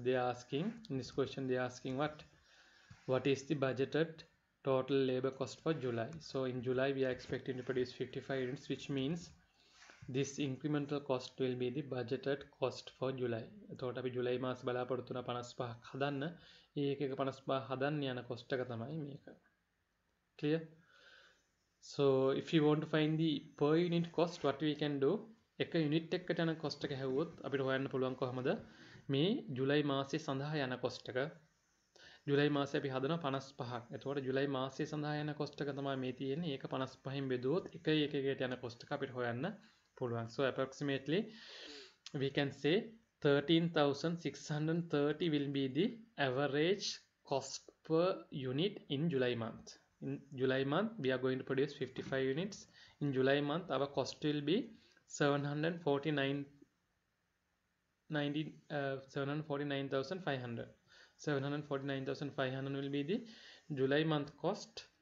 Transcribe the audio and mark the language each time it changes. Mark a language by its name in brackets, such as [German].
[English] They are asking in this question. They are asking what is the budgeted total labor cost for July? So in July, we are expecting to produce 55 units, which means this incremental cost will be the budgeted cost for July. [Sinhala] එතකොට අපි ජූලයි මාස බලාපොරොත්තු වෙන 55ක් හදන්න. ඒක එක 55 හදන්න යන cost එක තමයි මේක. [English] Clear? So if you want to find the per unit cost, what we can do? [Sinhala] එක unit එකට යන cost එක හැවුවොත් අපිට හොයන්න පුළුවන් කොහමද? මේ ජූලයි මාසයේ සඳහා යන cost එක. ජූලයි මාසයේ අපි හදනවා 55ක්. එතකොට ජූලයි මාසයේ සඳහා යන cost එක තමයි මේ තියෙන්නේ. ඒක 55න් බෙදුවොත් එක එක එකට යන cost එක අපිට හොයන්න. [English] So approximately we can say 13,630 will be the average cost per unit in July month. In July month we are going to produce 55 units. In July month our cost will be 749,500 will be the July month cost.